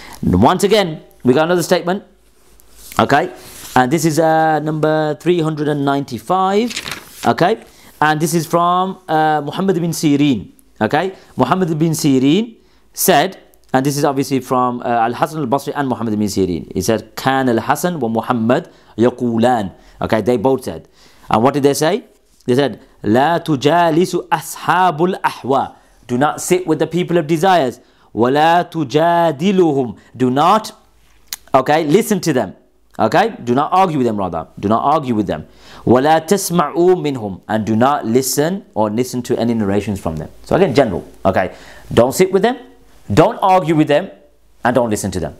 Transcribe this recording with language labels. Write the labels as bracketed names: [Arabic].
[English] And once again, we got another statement. Okay? And this is number 395. Okay? And this is from Muhammad bin Sirin. Okay? Muhammad bin Sirin said, and this is obviously from Al-Hasan al-Basri and Muhammad bin Sirin. He said, [Arabic] كان الحسن ومحمد يقولان. [English] Okay? They both said. And what did they say? They said, [Arabic] لا تجالس أصحاب الأحواء. [English] Do not sit with the people of desires. [Arabic] ولا تجادلهم. [English] Do not, okay, listen to them. Okay, do not argue with them, rather. Do not argue with them. [Arabic] وَلَا تَسْمَعُوا مِنْهُمْ. [English] And do not listen to any narrations from them. So again, general. Okay, don't sit with them. Don't argue with them. And don't listen to them.